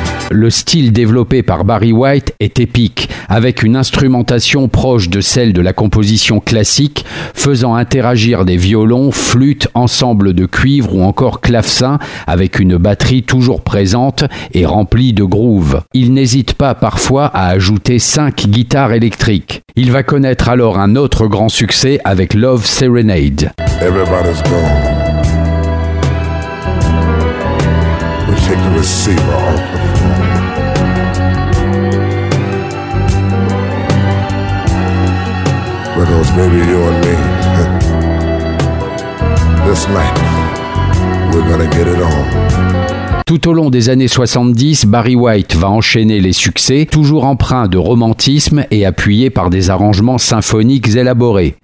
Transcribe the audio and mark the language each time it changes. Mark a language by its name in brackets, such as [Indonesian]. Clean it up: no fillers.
[French] Le style développé par Barry White est épique, avec une instrumentation proche de celle de la composition classique, faisant interagir des violons, flûtes, ensembles de cuivre ou encore clavecins, avec une batterie toujours présente et remplie de groove. Il n'hésite pas parfois à ajouter 5 guitares électriques. Il va connaître alors un autre grand succès avec Love Serenade. [English] Everybody's gone. We take the receiver off. Because maybe you and me, this night, we're gonna get it on. [French] Tout au long des années 70, Barry White va enchaîner les succès, toujours empreint de romantisme et appuyé par des arrangements symphoniques élaborés.